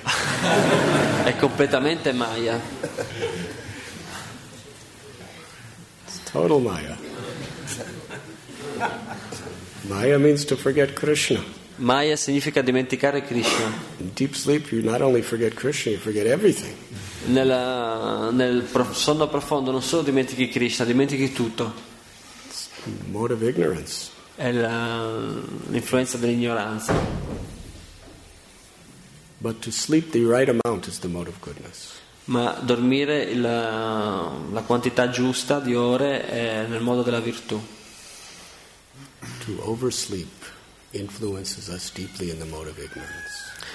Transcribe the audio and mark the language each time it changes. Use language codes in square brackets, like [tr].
[it] È completamente maya. [en] It's total maya. Maya means to forget Krishna. [it] Maya significa dimenticare Krishna. [en] In deep sleep you not only forget Krishna, you forget everything. [it] Nel sonno profondo non solo dimentichi Krishna, dimentichi tutto. [en] It's mode of ignorance. [it] È l'influenza dell'ignoranza. [en] But to sleep the right amount is the mode of goodness. [it] Ma dormire la quantità giusta di ore è nel modo della virtù. [en] To oversleep influences us deeply in the mode of ignorance.